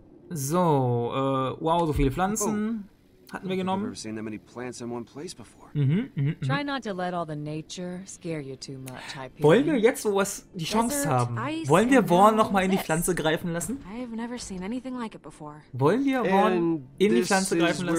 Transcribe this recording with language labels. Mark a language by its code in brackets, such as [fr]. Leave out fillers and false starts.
[de] So, wow, so viele Pflanzen hatten wir genommen. [en] Never seen that many plants in one place before. Try not to let all the nature scare you too much. [de] Wollen wir jetzt, wo wir die Chance haben, wollen wir Vaughn noch mal in die Pflanze greifen lassen? [en] I've never seen anything like it before. [de] Wollen wir Vaughn in die Pflanze greifen lassen?